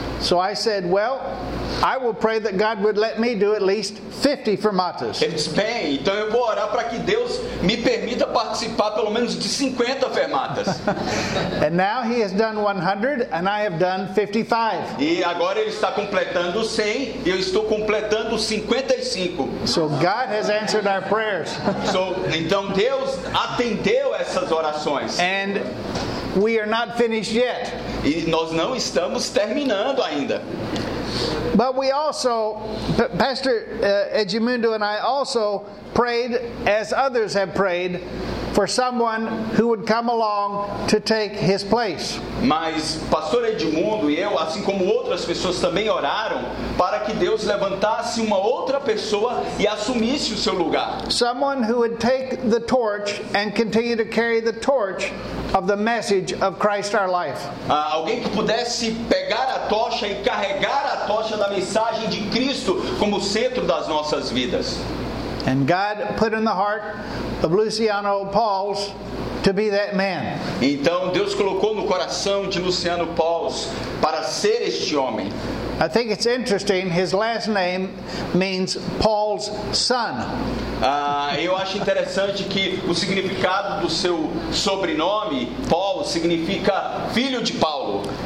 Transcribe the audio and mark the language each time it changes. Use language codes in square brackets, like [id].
[en] So I said, well, I will pray that God would let me do at least 50 Fermatas. [pt] Ele disse, bem, então eu vou orar para que Deus me permita participar pelo menos de 50 Fermatas. [en] And now he has done 100 and I have done 55. [pt] E agora ele está completando 100 e eu estou completando 55. [en] So God has answered our prayers. [pt] So, então Deus atendeu essas orações. [en] And we are not finished yet. [pt] E nós não estamos terminando ainda. [en] But we also, Pastor Edmundo and I also prayed, as others have prayed, for someone who would come along to take his place. [pt] Mas Pastor Edmundo e eu, assim como outras pessoas também oraram, para que Deus levantasse uma outra pessoa e assumisse o seu lugar. [en] Someone who would take the torch and continue to carry the torch of the message of Christ our life. [pt] Alguém que pudesse pegar a tocha e carregar a tocha da mensagem de Cristo como centro das nossas vidas. [en] And God put in the heart of Luciano Pauls to be that man. [pt] Então Deus colocou no coração de Luciano Pauls para ser este homem. [en] I think it's interesting, his last name means Paul's son. [pt] Eu acho interessante que o significado do seu sobrenome, Paul, significa filho de Paulo.